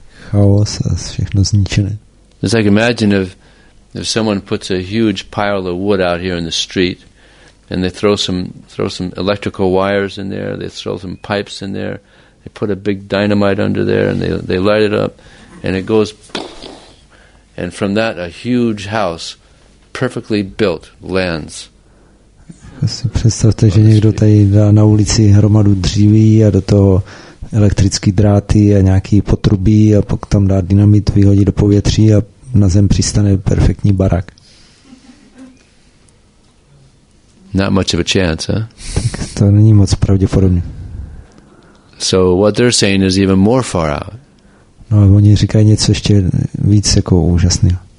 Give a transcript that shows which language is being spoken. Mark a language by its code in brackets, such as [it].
[cs] Chaos a všechno zničené. [en] It's like imagine if someone puts a huge pile of wood out here in the street and they throw some electrical wires in there, they throw some pipes in there, they put a big dynamite under there and they light it up and it goes, and from that a huge house perfectly built lands. [cs] Představte, že někdo tady dá na ulici hromadu dříví a do toho elektrický dráty a nějaký potrubí a pak tam dá dynamit, vyhodí do povětří a na zem přistane perfektní barak. [en] Not much of a chance, huh? [cs] Tak to není moc pravděpodobné. [en] So what they're saying is even more far out. [cs] No, oni říkají něco ještě víc jako úžasného.